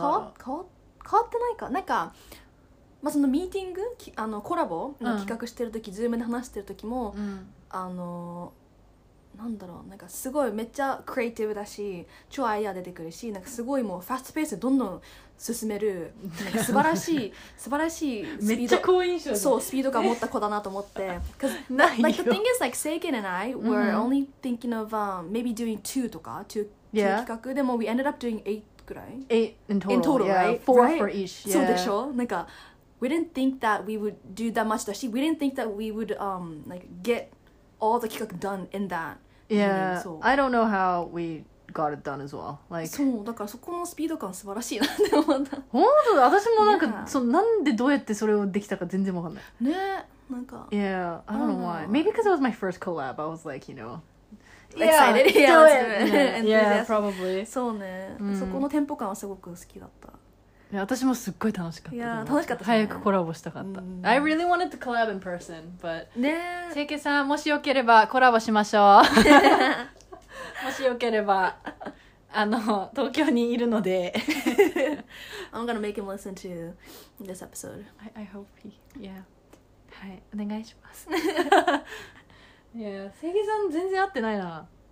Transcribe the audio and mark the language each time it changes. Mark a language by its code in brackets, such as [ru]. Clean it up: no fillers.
[ja] 変わってないかなんか、まあ、そのミーティングあのコラボの企画してるとき、Zoom で話してるときも、あの、なんだろう、なんかすごいめっちゃクリエイティブだし、超アイデア出てくるし、なんかすごいもうファストペースでどんどん進める、素晴らしいスピード。めっちゃ好印象そう、スピード感持った子だなと思って。ないよ。 [en] Like, the thing is, like, Seiken and I were only thinking of maybe doing two [ja] とか、 [en] two企画。 [ja] でも、 [en] we ended up doing eight [ja] ぐらい。 [en] Eight in total, yeah. Right? Four for each. [ja] そうでしょ？なんか、 [en] we didn't think that we would do that much [ja] だし、 [en] we didn't think that we would like, get all the 企画 done in that. Yeah, I don't know how we... got it done as well. Like, [ja] そうだからそこのスピード感素晴らしいなって思った。本当、私もなんか、そう、なんでどうやってそれをできたか全然わかんない。ね、なんか。 [en] Yeah, I don't know why. Maybe because it was my first collab. I was like, you know, excited. Yeah, do it. Yeah, probably. [ja] そうね。そこのテンポ感はすごく好きだった。いや、私もすっごい楽しかった。いや、楽しかった。早くコラボしたかった。 [en] I really wanted to collab in person, but [ja] ね、せいけさんもしよければコラボしましょう。もしよければあの東京にいるので [en] I'm gonna make him listen to this episode. I hope he yeah. [ja] はい、お願いします。いや、せいけさん全然会ってないな。